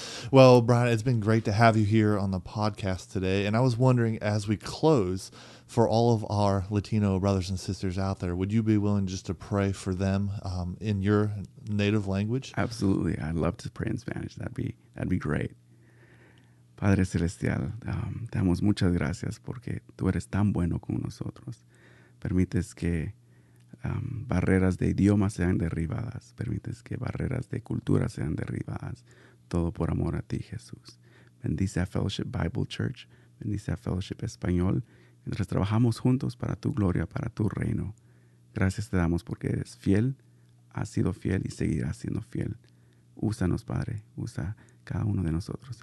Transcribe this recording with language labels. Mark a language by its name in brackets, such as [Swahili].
[English] Well, Brian, it's been great to have you here on the podcast today. And I was wondering, as we close, for all of our Latino brothers and sisters out there, would you be willing just to pray for them in your native language? Absolutely. I'd love to pray in Spanish. That'd be great. [Spanish] Padre Celestial, damos muchas gracias porque tú eres tan bueno con nosotros. Permites que barreras de idioma sean derribadas. Permites que barreras de cultura sean derribadas. Todo por amor a ti, Jesús. Bendice a Fellowship Bible Church. Bendice a Fellowship Español. Mientras trabajamos juntos para tu gloria, para tu reino. Gracias te damos porque eres fiel, has sido fiel y seguirás siendo fiel. Úsanos, Padre. Usa cada uno de nosotros.